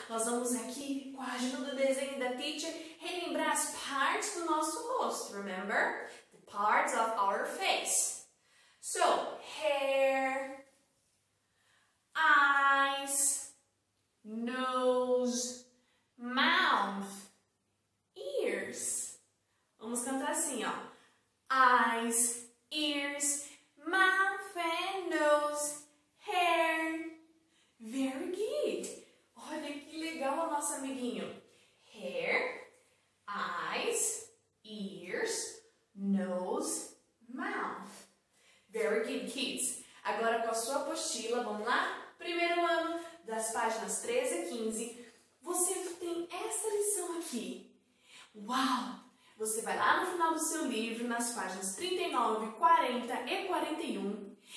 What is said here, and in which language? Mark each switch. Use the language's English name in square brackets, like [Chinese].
[Portuguese] Nós vamos aqui, com a ajuda do desenho da teacher, relembrar as partes do nosso rosto, remember? [English] The parts of our face. So, hair, eyes, nose, mouth, ears. [Portuguese] Vamos cantar assim, ó. [English] Eyes, ears, mouth and nose, hair. Very good. [Portuguese] Olha que legal o nosso amiguinho. [English] Hair, eyes, ears, nose, mouth. Very good, kids. [Portuguese] Agora com a sua apostila, vamos lá? Primeiro ano, das páginas 13 a 15, você tem essa lição aqui. Uau! Você vai lá no final do seu livro, nas páginas 39, 40 e 41.